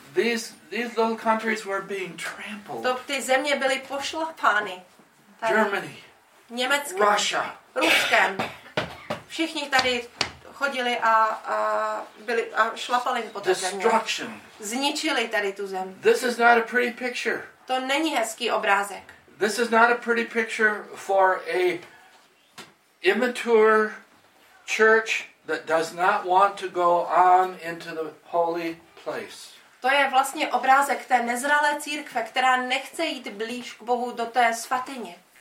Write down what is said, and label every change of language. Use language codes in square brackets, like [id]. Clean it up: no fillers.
[en] These little countries were being trampled. [cs] To ty země byly pošlapány. Tady. Germany. Německo. [en] Russia. [cs] Ruskem. Všichni tady chodili a šlapali po té zemi. Zničili tady tu zem. [en] This is not a pretty picture. [cs] To není hezký obrázek. [en] This is not a pretty picture for a immature church that does not want to go on into the holy place. [cs] To je vlastně obrázek té nezralé církve, která nechce jít blíž k Bohu do té svatyně.